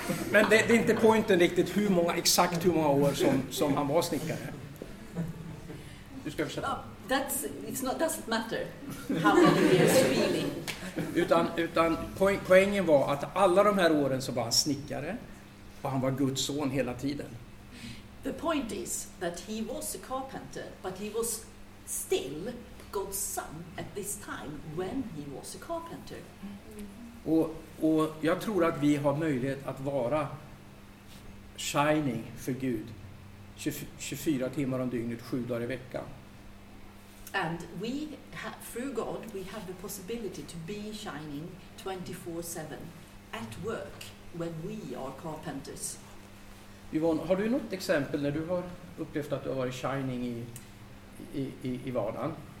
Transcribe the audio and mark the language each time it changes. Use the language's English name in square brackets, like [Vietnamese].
[Swedish] Men det är inte poängen riktigt hur många år som han var snickare. Du ska försöka. [English] Doesn't matter how many years really. [Swedish] Utan poängen var att alla de här åren så var han snickare och han var Guds son hela tiden. [English] The point is that he was a carpenter, but he was still God's son at this time when he was a carpenter. Mm-hmm. [Swedish] Och jag tror att vi har möjlighet att vara shining för Gud 24 timmar om dygnet, 7 dagar i veckan. [English] And we through God we have the possibility to be shining 24/7 at work when we are carpenters. [Swedish] Yvonne, har du något exempel när du har upplevt att du har varit shining i vardagen?